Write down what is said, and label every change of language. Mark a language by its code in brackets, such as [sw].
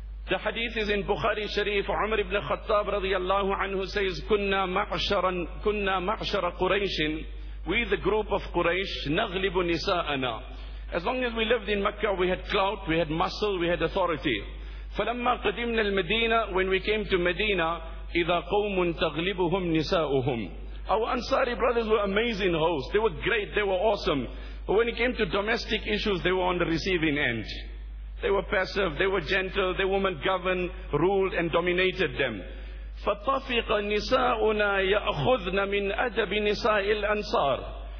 [en] The hadith is in Bukhari Sharif. Umar ibn Khattab radiyallahu anhu says, [ar] kunna ma'shara Quraishin, [en] we the group of Quraysh, [ar] naghlibu nisa'ana. [en] As long as we lived in Mecca, we had clout, we had muscle, we had authority. [ar] فلما قدمنا المدينة, [en] when we came to Medina, [ar] إِذَا قَوْمٌ تَغْلِبُهُمْ نِسَاؤُهُمْ. [en] Our Ansari brothers were amazing hosts. They were great, they were awesome. But when it came to domestic issues, they were on the receiving end. They were passive, they were gentle, their women governed, ruled and dominated them. [ar] فَطَفِقَ نِسَاؤُنَا يَأْخُذْنَ مِنْ أَدَبِ نِسَاءِ الْأَنْصَارِ.